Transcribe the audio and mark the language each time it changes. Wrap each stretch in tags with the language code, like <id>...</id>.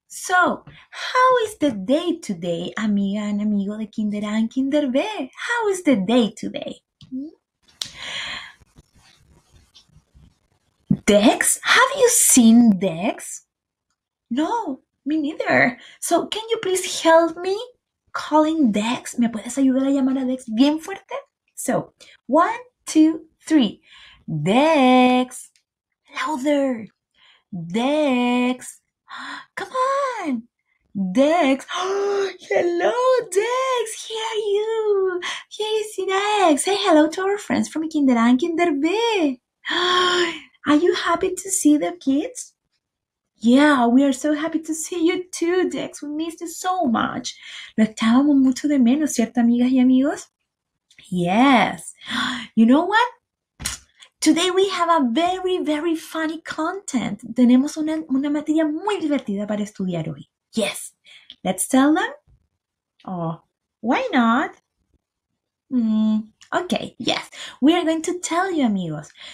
<en>So, how is the day today, amiga and amigo de Kinder A and Kinder B? How is the day today? Dex, have you seen Dex? No, me neither. So, can you please help me calling Dex?</en> <es>¿Me puedes ayudar a llamar a Dex bien fuerte?</es> <en>So, 1, 2, 3. Dex, louder. Dex. Come on, Dex. Oh, hello, Dex. Here are you. Here is Dex. Say hello to our friends from Kinder A and Kinder B. Oh, are you happy to see the kids? Yeah, we are so happy to see you too, Dex. We missed you so much.</en> <es>Lo estábamos mucho de menos, ¿cierto, amigas y amigos? Yes.</es> <en>You know what? Today we have a very, very funny content.</en> <es>Tenemos una materia muy divertida para estudiar hoy.</es> <en>Yes, let's tell them. Oh, why not? Okay, yes, we are going to tell you, amigos.</en>